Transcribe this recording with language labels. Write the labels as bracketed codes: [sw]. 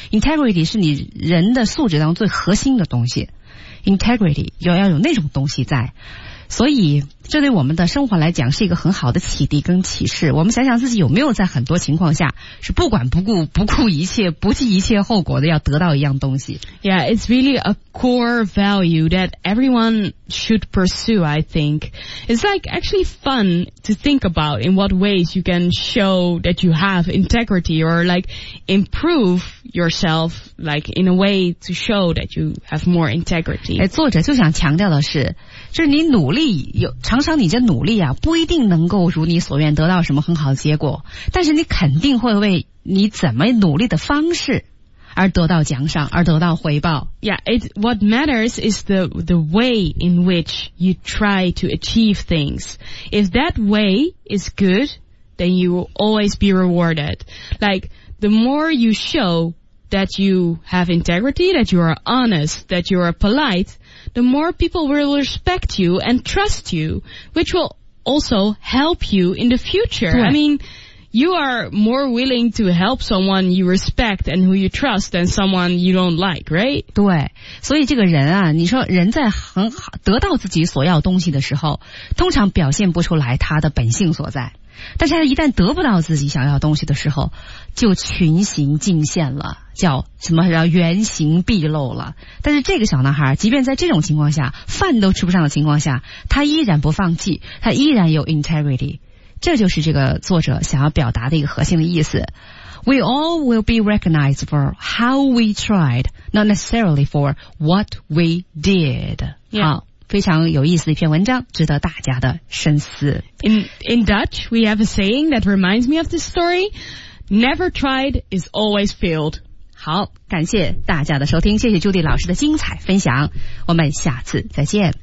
[zh] integrity 是你人的素质当中最核心的东西， integrity 要有那种东西在。所以这对我们的生活来讲是一个很好的启迪跟启示。我们想想自己有没有在很多情况下是不管不顾，不顾一切，不计一切后果的要得到一样东西。 [en] Yeah, it's really a core value that everyone should pursue, I think. It's like actually fun to think about in what ways you can show that you have integrity or like improve yourself like in a way to show that you have more integrity. [zh] 作者就想强调的是，就是你努力，有常常你这努力啊不一定能够如你所愿得到什么很好的结果，但是你肯定会为你怎么努力的方式而得到奖赏，而得到回报。 [en] Yeah, what matters is the way in which you try to achieve things. If that way is good, then you will always be rewarded. Like, the more you show that you have integrity, that you are honest, that you are polite,the more people will respect you and trust you, which will also help you in the future. I mean, you are more willing to help someone you respect and who you trust than someone you don't like, right? [zh] 对，所以这个人啊，你说人在很好得到自己所要东西的时候，通常表现不出来他的本性所在。但是他一旦得不到自己想要东西的时候，就群形尽现了，叫什么叫原形毕露了。但是这个小男孩即便在这种情况下，饭都吃不上的情况下，他依然不放弃，他依然有 integrity。这就是这个作者想要表达的一个核心的意思。 [en] We all will be recognized for how we tried, not necessarily for what we did. Yeah. [zh] 好，非常有意思的一篇文章，值得大家的深思。 [en] In Dutch, we have a saying that reminds me of this story. Never tried is always failed. [zh] 好，感谢大家的收听，谢谢朱迪老师的精彩分享。我们下次再见。